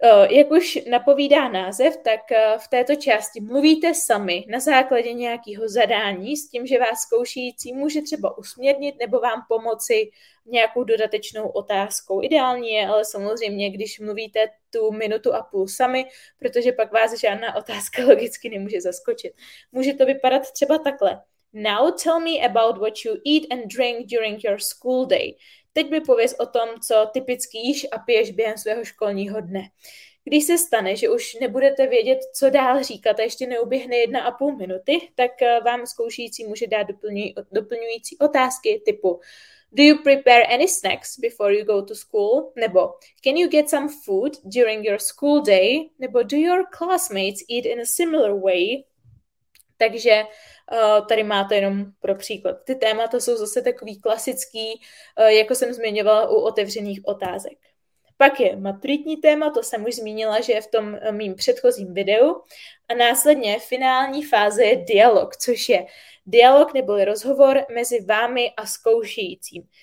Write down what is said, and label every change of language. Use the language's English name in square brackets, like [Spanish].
[Czech] Jak už napovídá název, tak v této části mluvíte sami na základě nějakého zadání s tím, že vás zkoušející může třeba usměrnit nebo vám pomoci nějakou dodatečnou otázkou. Ideální je, ale samozřejmě, když mluvíte tu minutu a půl sami, protože pak vás žádná otázka logicky nemůže zaskočit. Může to vypadat třeba takhle. [English] Now tell me about what you eat and drink during your school day. [Czech] Teď mi pověz o tom, co typicky jíš a piješ během svého školního dne. Když se stane, že už nebudete vědět, co dál říkat a ještě neuběhne 1,5 minuty, tak vám zkoušející může dát doplňující otázky typu [English] do you prepare any snacks before you go to school? [Czech] Nebo [English] can you get some food during your school day? [Czech] Nebo [English] do your classmates eat in a similar way? [Czech] Takže tady máte jenom pro příklad. Ty témata jsou zase takový klasický, jako jsem zmiňovala u otevřených otázek. Pak je maturitní téma, to jsem už zmínila, že je v tom mým předchozím videu. A následně finální fáze je dialog, což je dialog neboli rozhovor mezi vámi a zkoušejícím.